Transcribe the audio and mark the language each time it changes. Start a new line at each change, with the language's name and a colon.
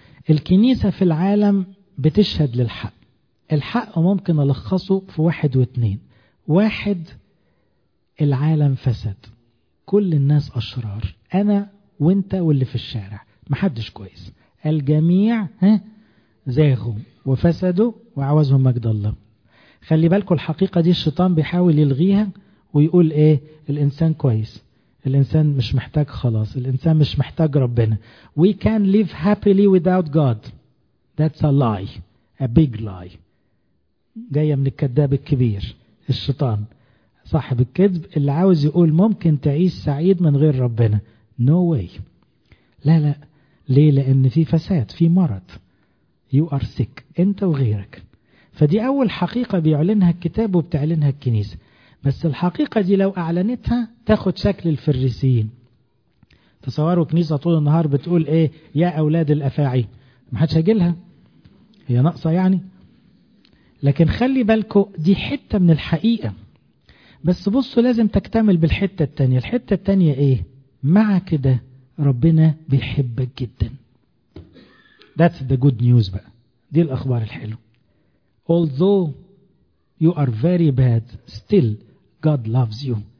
Arabic: الكنيسة في العالم بتشهد للحق. الحق ممكن ألخصه في واحد واثنين: واحد، العالم فسد، كل الناس أشرار، أنا وإنت واللي في الشارع محدش كويس، الجميع زاغوا وفسدوا وعوزهم مجد الله. خلي بالكوا الحقيقة دي الشيطان بيحاول يلغيها ويقول إيه؟ الإنسان كويس، الإنسان مش محتاج خلاص، الإنسان مش محتاج ربنا.
English: We can live happily without God. That's a lie. A big lie.
Arabic: جاية من الكذاب الكبير، الشيطان، صاحب الكذب اللي عاوز يقول ممكن تعيش سعيد من غير ربنا.
English: No way.
Arabic: لا لا. ليه؟ لأن في فساد، في مرض.
English: You are sick.
Arabic: أنت وغيرك. فدي أول حقيقة بيعلنها الكتاب وبتعلنها الكنيسة. بس الحقيقة دي لو أعلنتها تاخد شكل الفريسيين. تصوروا كنيسة طول النهار بتقول إيه؟ يا أولاد الأفاعي، محدش هيجيلها، هي ناقصة يعني. لكن خلي بالكو دي حتة من الحقيقة، بس بصوا لازم تكتمل بالحتة التانية. الحتة التانية إيه؟ مع كده ربنا بيحبك جدا.
English: That's the good news
Arabic: بقى، دي الأخبار الحلو.
English: Although you are very bad, still God loves you.